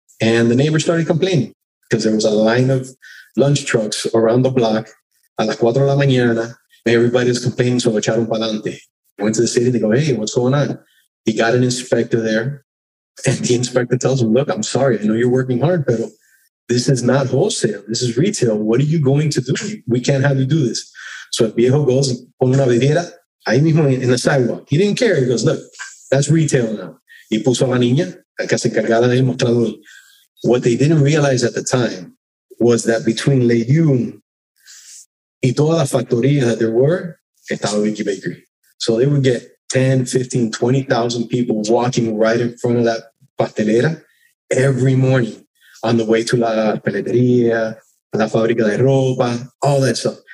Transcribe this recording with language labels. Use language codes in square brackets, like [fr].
[en] And the neighbor started complaining because there was a line of lunch trucks around the block [es] a las cuatro de la mañana. [en] Everybody's complaining, so [es] echaron pa'lante. [en] Went to the city, they go, hey, what's going on? He got an inspector there, and the inspector tells him, look, I'm sorry, I know you're working hard, but this is not wholesale, this is retail. What are you going to do? We can't have you do this. So if viejo goes, [es] pon una vidriera, ahí mismo [en] in the sidewalk. He didn't care. He goes, look, that's retail now. [es] Y puso a la niña, que se encargara del mostrador. [en] What they didn't realize at the time was that between Lejeune [es] y toda la factoría [en] that there were, estaba Vicky Bakery. So they would get 10, 15, 20,000 people walking right in front of that pastelera every morning on the way to [es] la peletería, la fábrica de ropa, [en] all that stuff.